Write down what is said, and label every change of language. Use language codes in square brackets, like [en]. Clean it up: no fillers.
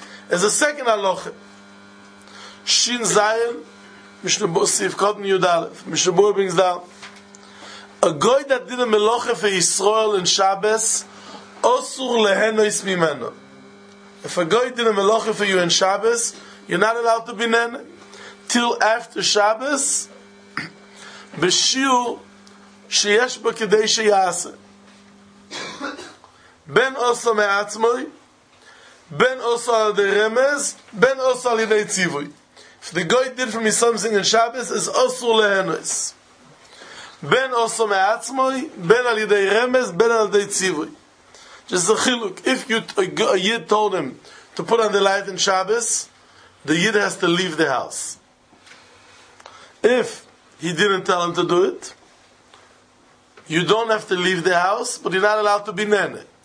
[en] As a second aloch, Shin Zayin, Mishnebosif Kotn Yudalev, Mishnebosif brings down, a goy that did a melocha for Yisrael in Shabbos, osur lehenois mimeno. If a goy did a melocha for you in Shabbos, you're not allowed to be nene. [he] Till after Shabbos, בשיעור שיש בו כדי שיעשה בין אוסו מעצמוי בין אוסו על ידי רמז בין אוסו על ידי ציווי. If the goy did for me something in Shabbos is אוסו להנוס בין אוסו מעצמוי בין על ידי רמז בין על ידי ציווי. [en] Just a chiluk. If a yid told him to put on the light in Shabbos, the yid has to leave the house. If he didn't tell him to do it, you don't have to leave the house, but you're not allowed to be nene.